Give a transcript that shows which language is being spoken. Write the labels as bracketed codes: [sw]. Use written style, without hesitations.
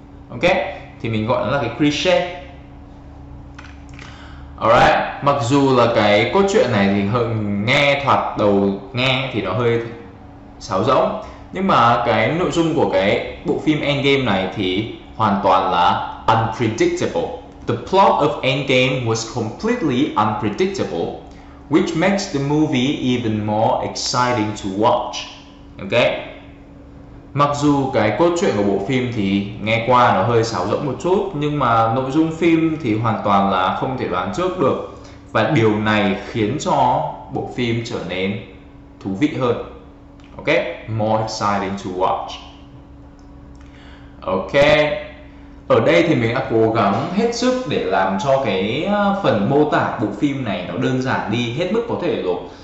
[vi] Ok, thì mình gọi nó là cái cliché. Alright, mặc dù là cái cốt truyện này thì nghe thoạt đầu nghe thì nó hơi sáo rỗng, nhưng mà cái nội dung của cái bộ phim Endgame này thì hoàn toàn là unpredictable. [en] The plot of Endgame was completely unpredictable, which makes the movie even more exciting to watch. Ok. [vi] Mặc dù cái cốt truyện của bộ phim thì nghe qua nó hơi sáo rỗng một chút, nhưng mà nội dung phim thì hoàn toàn là không thể đoán trước được, và điều này khiến cho bộ phim trở nên thú vị hơn. Ok, [en] more exciting to watch. [vi] Ok, ở đây thì mình đã cố gắng hết sức để làm cho cái phần mô tả bộ phim này nó đơn giản đi hết mức có thể rồi.